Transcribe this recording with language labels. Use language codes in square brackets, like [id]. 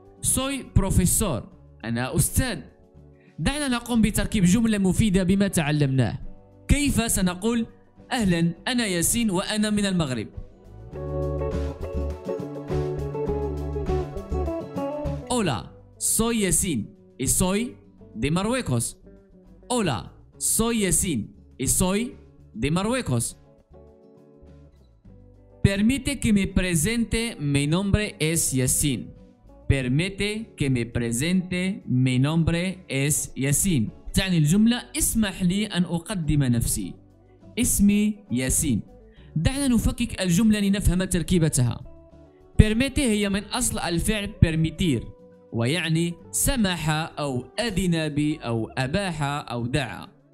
[es] صوي بروفيسور [ar] أنا أستاذ. دعنا نقوم بتركيب جملة مفيدة بما تعلمناه. كيف سنقول أهلا أنا ياسين وأنا من المغرب؟ أولا [es] soy ياسين y soy de Marruecos. [ar] أولا [es] soy ياسين y soy de Marruecos. Permite que me presente mi nombre es ياسين. Permite que me presente mi nombre es ياسين. [ar] تعني الجملة اسمح لي أن أقدم نفسي. اسمي ياسين. دعنا نفكك الجملة لنفهم تركيبتها. Permite هي من أصل الفعل permitir ويعني سمح أو أذن بي أو أباح أو دعا.